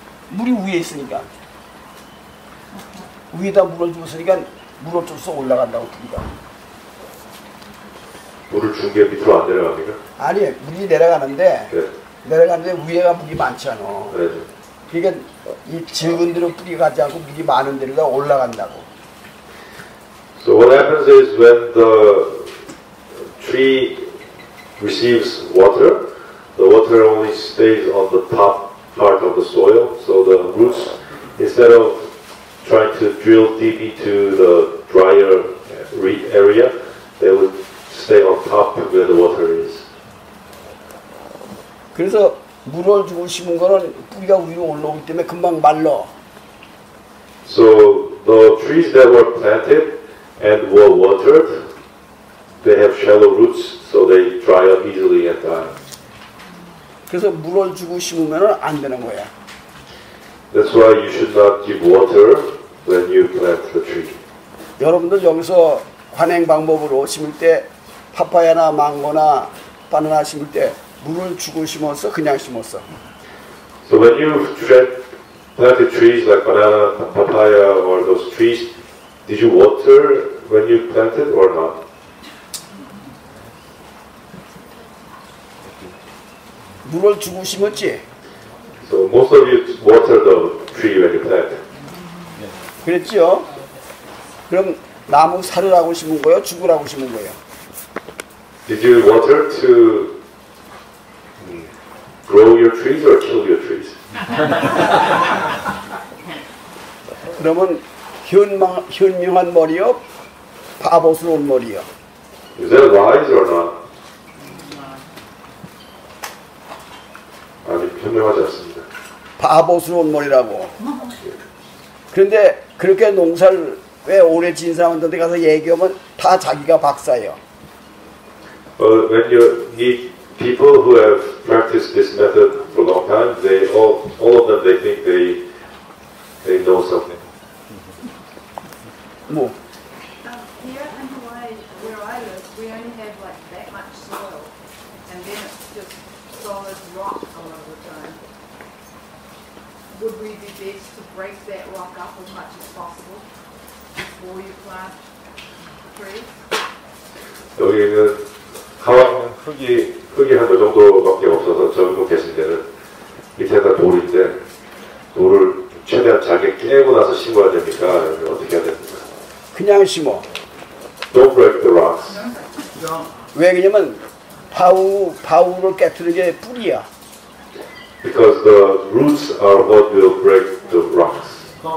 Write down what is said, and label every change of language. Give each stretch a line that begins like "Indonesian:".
Korean: 물이 위에 있으니까. 위에다 물을 주었으니까 물을 쫓아 올라간다고 들이다. 물을 준 게 밑으로 안 내려갑니까? 아니, 물이 내려가는데, 네. 내려가는데 위에가 물이 많잖아. 네. 그러니까 이 적은 데로 뿌리 가지 않고 물이 많은 데로 다 올라간다고.
English: So what happens is when the tree receives water, the water only stays on the top part of the soil, so the roots, instead of trying to drill deep into the drier area, they would stay on top where the water is.
Korean: 그래서 물을 주고 심은 거는 뿌리가 위로 올라오기 때문에 금방 말라.
English: So the trees that were planted and were watered, they have shallow roots, so they dry up easily and die.
Korean: 그래서 물을 주고 심으면 안 되는 거야.
English: That's why you should not give water when you plant the tree.
Korean: 여러분들 여기서 관행 방법으로 심을 때 파파야나 망고나 바나나 심을 때 물을 주고 심었어? 그냥 심었어?
English: So when you plant the trees like banana, papaya or those trees, did you water when you planted or not?
Korean: 물을 주고 심었지?
English: So most of you water the tree when you plant.
Korean: 그랬지요? 그럼 나무 살으라고 심은 거예요? 죽으라고 심은 거예요?
English: Did you water to grow your trees or kill your trees?
Korean: 그러면 현명한 머리요? 바보스러운 머리요?
English: Is that wise or not?
Korean: 아니, 현명하지 않습니다. 바보스러운 머리라고. 그런데 그렇게 농사를 왜 오래 지은 사람들한테 가서 얘기하면 다 자기가 박사예요.
English: But when you meet people who have practiced this method for a long time, they all of them they think they know something.
Korean: 뭐?
English: Here in Hawaii, where I live, we only have like that much soil, and then it's just solid rock a lot of the time. Would we be best to break that rock up as much as possible before you plant trees?
Korean: 여기는 하와이는 흙이 한 그 정도밖에 없어서 적응 계신 데는 밑에다 돌인데 돌을 최대한 잘게 깨고 나서 심어야 됩니까? 어떻게 해야 됩니까? 그냥 심어.
English: Don't break the rocks.
Korean: 왜 그러냐면 바우를 깨트리는 게 뿌리야.
English: Because the roots are what will break the rocks.